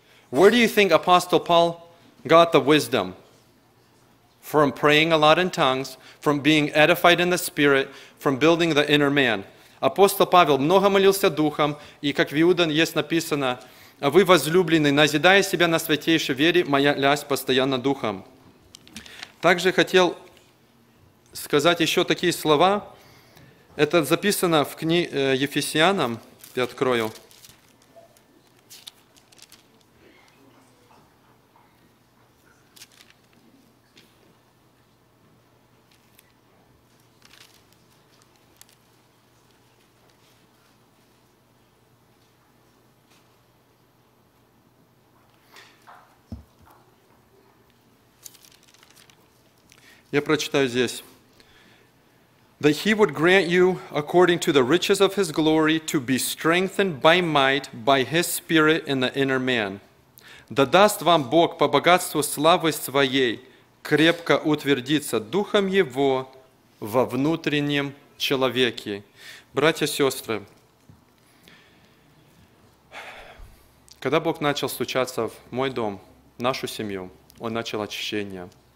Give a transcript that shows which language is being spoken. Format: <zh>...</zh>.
<en>Where do you think Apostle Paul got the wisdom? From praying a lot in tongues, from being edified in the Spirit, from building the inner man.</en> <ru>Апостол Павел много молился Духом, и как в Иуда есть написано, «Вы, возлюбленные, назидая себя на святейшей вере, молясь постоянно Духом». Также хотел сказать еще такие слова. Это записано в книге Ефесянам, я открою. Я прочитаю здесь.</ru> <en>That he would grant you, according to the riches of his glory, to be strengthened by might, by his spirit in the inner man.</en> <ru>Да даст вам Бог по богатству славы своей крепко утвердиться духом его во внутреннем человеке. Братья, сестры, когда Бог начал стучаться в мой дом, в нашу семью, Он начал очищение.</ru>